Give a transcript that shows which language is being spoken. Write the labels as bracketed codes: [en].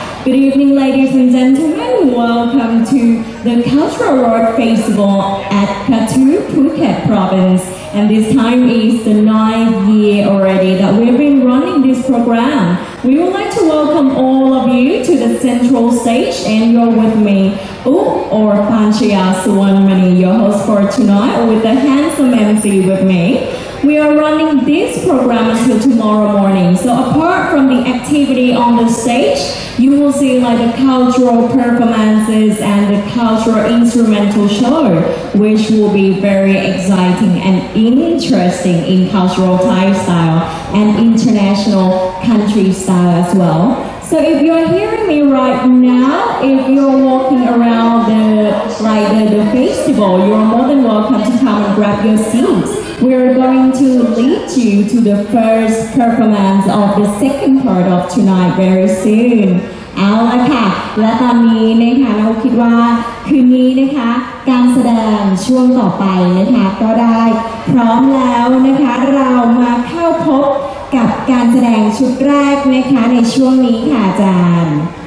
[en] Good evening ladies and gentlemen welcome to the Cultural World Festival at Katu Phuket Province and this time is the 9th year already that we've been running this programWe would like to welcome all of you to the central stage and you're with me, Oop or Phan Chia Suwanmani, your host for tonight with the handsome MC with me. We are running this program until tomorrow morning. So apart from the activity on the stage, you will see like the cultural performances and the cultural instrumental show, which will be very exciting and interesting in cultural Thai style and international country style as well. So if you're hearing me right now, if you're walking around the festival, you're more than welcome to come and grab your seats. We are going to lead you to the first performance of the second part of tonight very soon. [th] เอาละค่ะและตอนนี้นะคะเราคิดว่าคืนนี้นะคะการแสดงช่วงต่อไปนะคะก็ได้พร้อมแล้วนะคะเรามาเข้าพบกับการแสดงชุดแรกนะคะในช่วงนี้ค่ะอาจารย์